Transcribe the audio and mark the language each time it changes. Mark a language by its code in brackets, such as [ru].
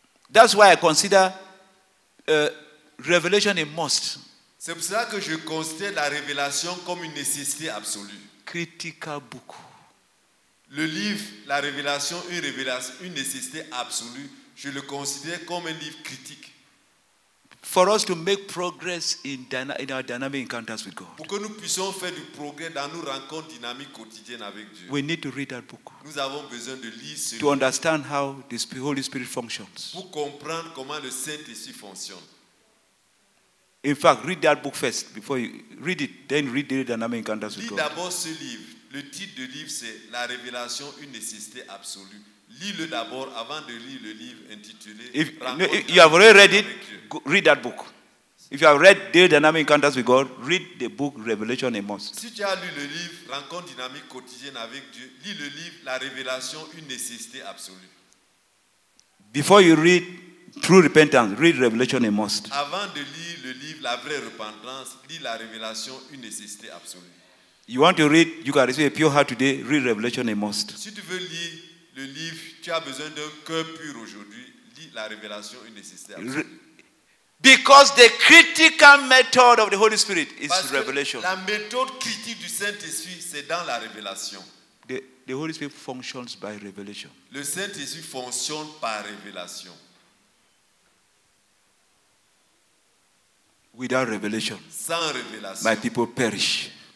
[en] That's why I consider revelation a must. [fr] C'est pour cela que je considère la révélation comme une nécessité absolue. [en] Critical book. [fr] Le livre, la révélation, une nécessité absolue, je le considère comme un livre critique. [en] For us to make progress in our dynamic encounters with God. [fr] Pour que nous puissions faire du progrès dans nos rencontres dynamiques quotidiennes avec Dieu. [en] We need to read that book. [fr] Nous avons besoin de lire ce livre. [en] To understand how the Holy Spirit functions. [fr] Pour comprendre comment le Saint-Esprit fonctionne. [en] In fact, read that book first before you read it, then read the dynamic encounters with God. [fr] Lis d'abord ce livre. Le titre du livre c'est La révélation, une nécessité absolue. Lis-le d'abord avant de lire le livre intitulé [en] If you have already read it, read that book. If you have read The Dynamic Encounters with God, read the book Revelation a Must. [fr] Si tu as lu le livre Rencontre dynamique quotidienne avec Dieu, lis le livre La révélation, une nécessité absolue. [en] Before you read True Repentance, read Revelation a Must. [fr] Avant de lire le livre La vraie repentance, lis La révélation, une nécessité absolue. [en] You want to read, you can receive a pure heart today, read Revelation a Must. [fr] Si tu veux lire le livre, tu as besoin d'un cœur pur aujourd'hui, lis La révélation, une nécessité absolue. [en] Because the critical method of the Holy Spirit is [fr] Parce [en] revelation. [fr] La méthode critique du Saint-Esprit, c'est dans la révélation. [en] The Holy Spirit functions by revelation. [fr] Le Saint-Esprit fonctionne par révélation. [en] Without revelation, [fr] sans révélation, [en] my people perish.